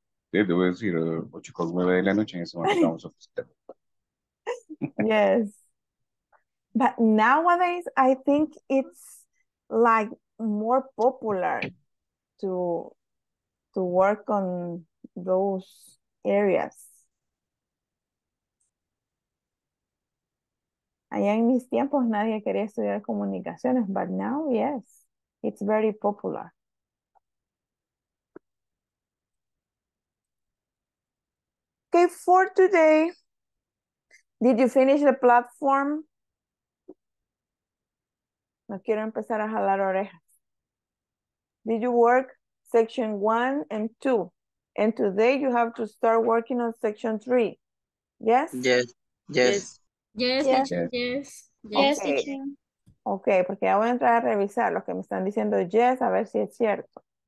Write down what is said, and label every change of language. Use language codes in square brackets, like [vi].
[es] Te debo decir 8:09 de la noche en ese momento. [en] Yes. But nowadays, I think it's like more popular to work on those areas. [es] Allá en mis tiempos nadie quería estudiar comunicaciones, [en] but now, yes, it's very popular. Okay, for today, did you finish the platform? [es] No quiero empezar a jalar orejas. [en] Did you work section 1 and 2? And today you have to start working on section 3. Yes? Yes. Yes. Yes. Yes, teacher. Yes. Yes, okay. [es] Teacher. Ok, porque ya voy a entrar a revisar lo que me están diciendo yes, a ver si es cierto.